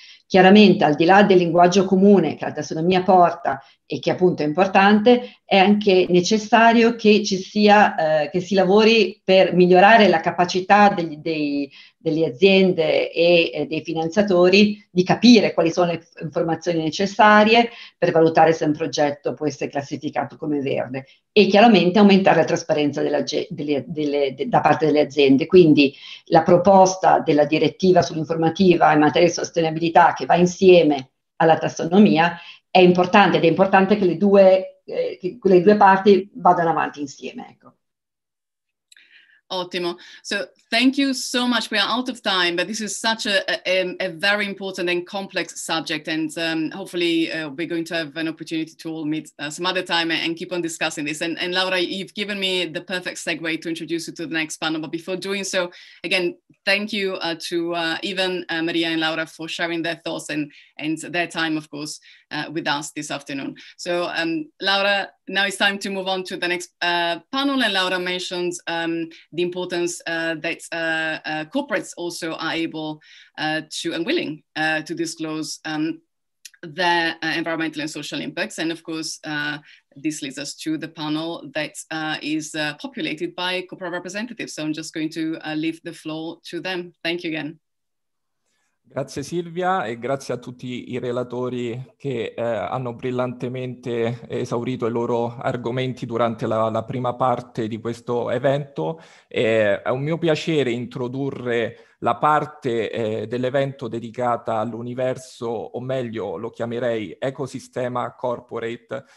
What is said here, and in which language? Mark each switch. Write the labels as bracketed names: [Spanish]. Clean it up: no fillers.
[Italian] Chiaramente, al di là del linguaggio comune che la tassonomia porta e che appunto è importante, è anche necessario che ci sia, che si lavori per migliorare la capacità delle aziende e dei finanziatori di capire quali sono le informazioni necessarie per valutare se un progetto può essere classificato come verde, e chiaramente aumentare la trasparenza da parte delle aziende. Quindi la proposta della direttiva sull'informativa in materia di sostenibilità, che va insieme alla tassonomia, è importante, ed è importante che le due parti vadano avanti insieme, ecco. [English] Ottimo. So thank you so much. We are out of time, but this is such a very important and complex subject. And hopefully we're going to have an opportunity to all meet some other time and keep on discussing this. And Laura, you've given me the perfect segue to introduce you to the next panel. But before doing so, again, thank you to even Maria and Laura for sharing their thoughts and their time, of course, with us this afternoon. So Laura, now it's time to move on to the next panel. And Laura mentioned the importance that corporates also are able to and willing to disclose their environmental and social impacts. And of course, this leads us to the panel that is populated by corporate representatives. So I'm just going to leave the floor to them. Thank you again. [Italian] Grazie Silvia e grazie a tutti i relatori che hanno brillantemente esaurito i loro argomenti durante la prima parte di questo evento. È un mio piacere introdurre la parte dell'evento dedicata all'universo, o meglio lo chiamerei ecosistema corporate.